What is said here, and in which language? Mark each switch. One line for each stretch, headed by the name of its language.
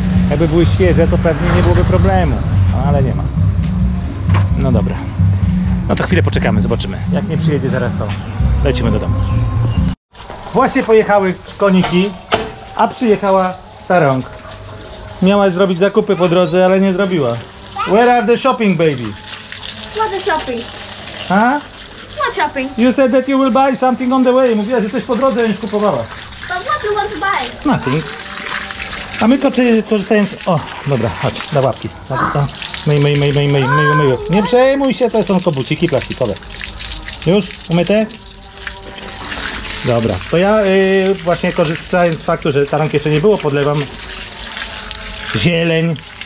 Polish: Jakby były świeże, to pewnie nie byłoby problemu, ale nie ma. No dobra. No to chwilę poczekamy, zobaczymy. Jak nie przyjedzie zaraz, to lecimy do domu. Właśnie pojechały koniki, a przyjechała starąg. Miała zrobić zakupy po drodze, ale nie zrobiła.
English: Where are the shopping, baby? What the shopping? Huh? What shopping? You said that you will buy something on the way.
Polish: Mówiła, że coś po drodze już kupowała.
English: But what you want to buy? Nothing.
Polish: A my korzystając... O, dobra, chodź, da łapki. Myj. Nie przejmuj się, to są kobuciki plastikowe. Już? Umyte? Dobra, to ja właśnie korzystając z faktu, że taranki jeszcze nie było, podlewam zieleń.